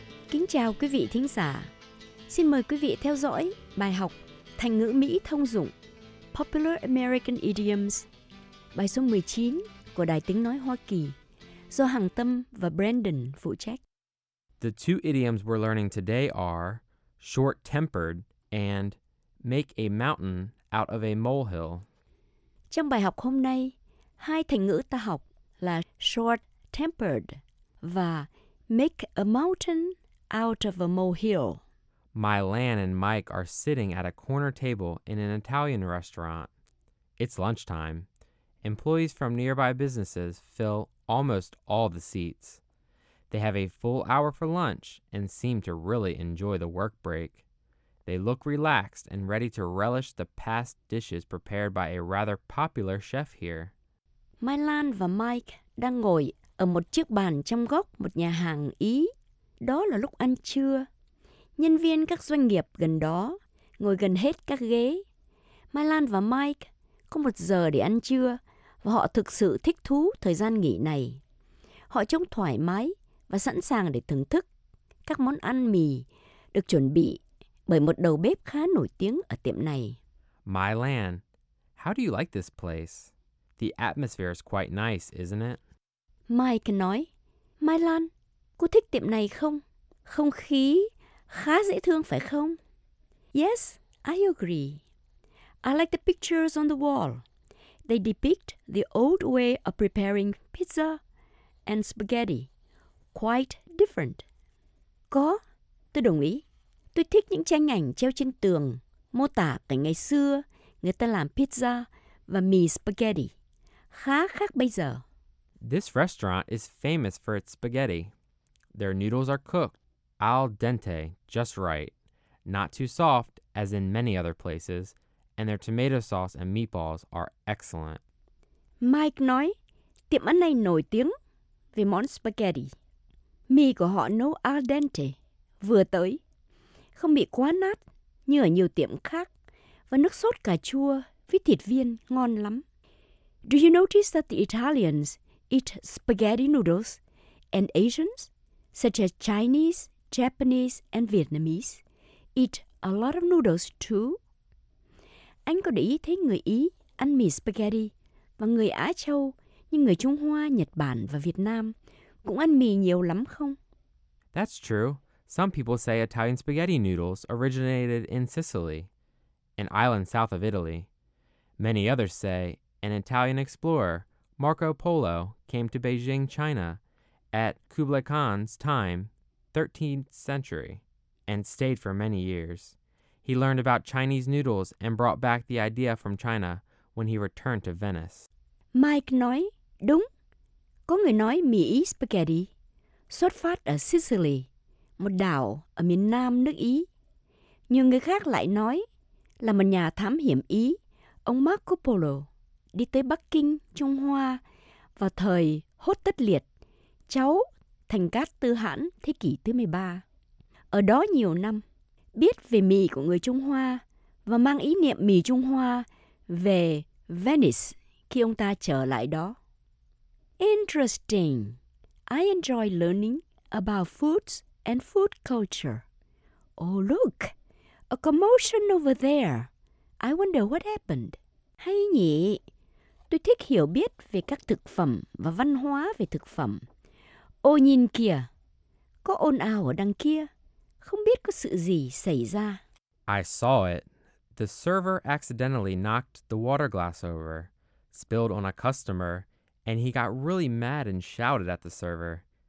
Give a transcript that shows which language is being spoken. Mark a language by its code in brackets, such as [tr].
[vi] Kính chào quý vị thính giả. Xin mời quý vị theo dõi bài học thành ngữ Mỹ thông dụng [en] Popular American Idioms, [vi] bài số 19 của Đài Tiếng Nói Hoa Kỳ, do Hằng Tâm và Brandon phụ trách. [en] The two idioms we're learning today are short-tempered and make a mountain out of a molehill. [vi] Trong bài học hôm nay, hai thành ngữ ta học là short-tempered và [en] make a mountain out of a molehill. Mylan and Mike are sitting at a corner table in an Italian restaurant. It's lunchtime. Employees from nearby businesses fill almost all the seats. They have a full hour for lunch and seem to really enjoy the work break. They look relaxed and ready to relish the past dishes prepared by a rather popular chef here. [vi] Mylan và Mike đang ngồi ở một chiếc bàn trong góc một nhà hàng Ý. Đó là lúc ăn trưa. Nhân viên các doanh nghiệp gần đó ngồi gần hết các ghế. Mylan và Mike có một giờ để ăn trưa và họ thực sự thích thú thời gian nghỉ này. Họ trông thoải mái và sẵn sàng để thưởng thức các món ăn mì được chuẩn bị bởi một đầu bếp khá nổi tiếng ở tiệm này. [en] Mylan, how do you like this place? The atmosphere is quite nice, isn't it? [vi] Mike nói, Mylan, cô thích tiệm này không? Không khí khá dễ thương phải không? [en] Yes, I agree. I like the pictures on the wall. They depict the old way of preparing pizza and spaghetti. Quite different. [vi] Có, tôi đồng ý. Tôi thích những tranh ảnh treo trên tường mô tả cảnh ngày xưa người ta làm pizza và mì spaghetti. Khá khác bây giờ. [en] This restaurant is famous for its spaghetti. Their noodles are cooked al dente, just right. Not too soft, as in many other places. And their tomato sauce and meatballs are excellent. [vi] Mike nói, tiệm ăn này nổi tiếng vì món spaghetti. Mì của họ nấu al dente, vừa tới. Không bị quá nát như ở nhiều tiệm khác. Và nước sốt cà chua với thịt viên ngon lắm. [en] Do you notice that the Italians eat spaghetti noodles and Asians, such as Chinese, Japanese and Vietnamese, eat a lot of noodles too? [vi] Anh có để ý thấy người Ý ăn mì spaghetti và người Á Châu như người Trung Hoa, Nhật Bản và Việt Nam cũng ăn mì nhiều lắm không? [en] That's true. Some people say Italian spaghetti noodles originated in Sicily, an island south of Italy. Many others say an Italian explorer, Marco Polo, came to Beijing, China, at Kublai Khan's time, 13th century, and stayed for many years. He learned about Chinese noodles and brought back the idea from China when he returned to Venice. [vi] Mike nói, đúng, có người nói mì Ý spaghetti xuất phát ở Sicily, một đảo ở miền nam nước Ý. Nhiều người khác lại nói là một nhà thám hiểm Ý, ông Marco Polo, đi tới Bắc Kinh, Trung Hoa vào thời Hốt Tất Liệt, cháu Thành Cát Tư Hãn thế kỷ thứ 13. Ở đó nhiều năm, biết về mì của người Trung Hoa và mang ý niệm mì Trung Hoa về Venice khi ông ta trở lại đó. [en] Interesting. I enjoy learning about foods and food culture. Oh, look. A commotion over there. I wonder what happened. [vi] Hay nhỉ? Tôi thích hiểu biết về các thực phẩm và văn hóa về thực phẩm. Ô nhìn kìa. Có ồn ào ở đằng kia. Không biết có sự gì xảy ra. [en] I saw it. The server accidentally knocked the water glass over, spilled on a customer, and he got really mad and shouted at the server.